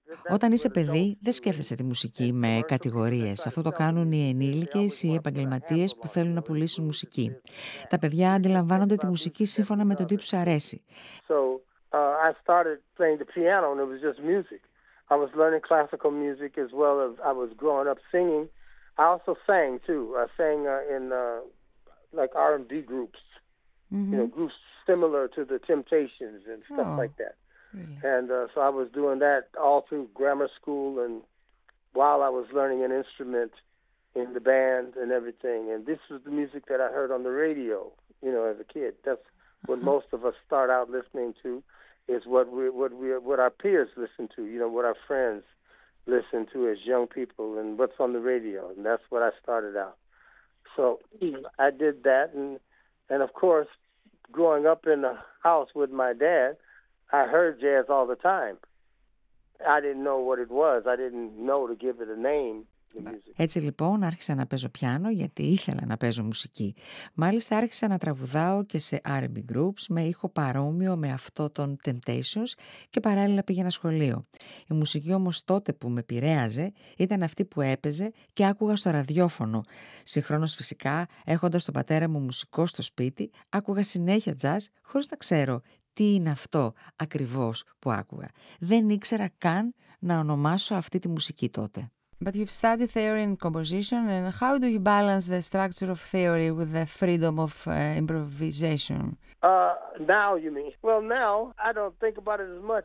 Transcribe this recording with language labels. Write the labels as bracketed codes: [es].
[el] Όταν είσαι παιδί, δεν σκέφτεσαι τη μουσική με κατηγορίες. Αυτό το κάνουν οι ενήλικες ή οι επαγγελματίες που θέλουν να πουλήσουν μουσική. Τα παιδιά αντιλαμβάνονται τη μουσική σύμφωνα με το τι τους αρέσει. [en] I started playing the piano and it was just music. I was learning classical music as well as I was growing up singing. I also sang too. I sang in like R&B groups. You know, groups similar to the Temptations and stuff like that. Really? And so I was doing that all through grammar school and while I was learning an instrument in the band and everything. And this was the music that I heard on the radio, you know, as a kid. That's what most of us start out listening to, is what our peers listen to, you know, what our friends listen to as young people and what's on the radio. And that's what I started out. So I did that. And of course, growing up in a house with my dad, I heard jazz all the time. I didn't know what it was. I didn't know to give it a name. [el] Έτσι λοιπόν άρχισα να παίζω πιάνο γιατί ήθελα να παίζω μουσική. Μάλιστα άρχισα να τραγουδάω και σε R&B groups με ήχο παρόμοιο με αυτό των Temptations και παράλληλα πήγαινα σχολείο. Η μουσική όμως τότε που με επηρέαζε ήταν αυτή που έπαιζε και άκουγα στο ραδιόφωνο. Συγχρόνως φυσικά έχοντας τον πατέρα μου μουσικό στο σπίτι άκουγα συνέχεια jazz χωρίς να ξέρω τι είναι αυτό ακριβώς που άκουγα. Δεν ήξερα καν να ονομάσω αυτή τη μουσική τότε. [en] But you've studied theory and composition, and how do you balance the structure of theory with the freedom of improvisation? Now you mean? Well, now I don't think about it as much.